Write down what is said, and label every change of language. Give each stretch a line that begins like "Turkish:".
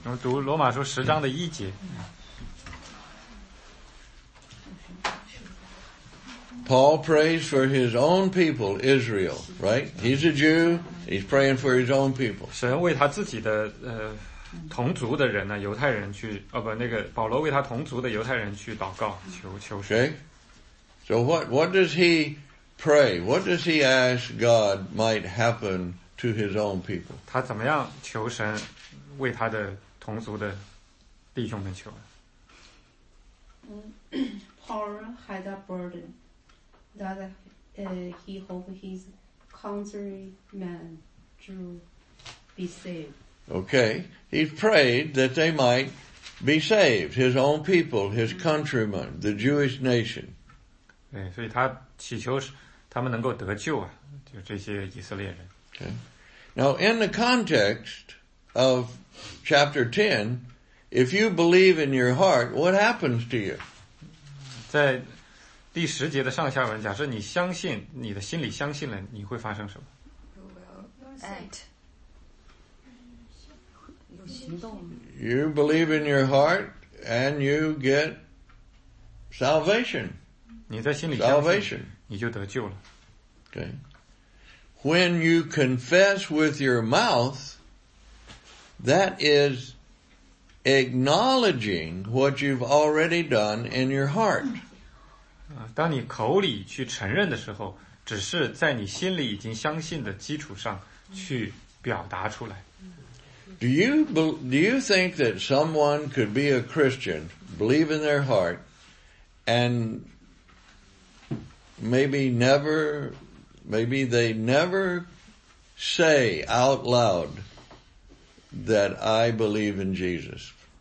Chinese: 我们读罗马书十章的一节。
English: Paul prays for his own people, Israel, right? He's a Jew, he's praying for his own people.
Chinese: 神为他自己的同族的人呢，犹太人去，哦不，那个保罗为他同族的犹太人去祷告，求神。
English: So what does he pray? What does he ask God might happen to his own people?
Chinese: 他怎么样求神为他的同族的弟兄们求？
English: Paul had a burden that he hoped his countrymen Jew be saved. Okay, he prayed that they might be saved, his own people, his countrymen, the Jewish nation.
Chinese: 对，所以他祈求他们能够得救啊，就这些以色列人。
English: Okay. Now, in the context of chapter 10, if you believe in your heart, what happens to you?
Chinese: 在第十节的上下文，假设你相信，你的心里相信了，你会发生什么？
English: You will act. You believe in your heart and you get salvation.
Chinese: 你在心里相信,
English: salvation.
Chinese: 你就得救了。
English: Okay. When you confess with your mouth, that is acknowledging what you've already done in your heart.
Chinese: 当你口里去承认的时候，只是在你心里已经相信的基础上去表达出来。
English: Do you think that someone could be a Christian, believe in their heart, and maybe they never say out loud that I believe in Jesus?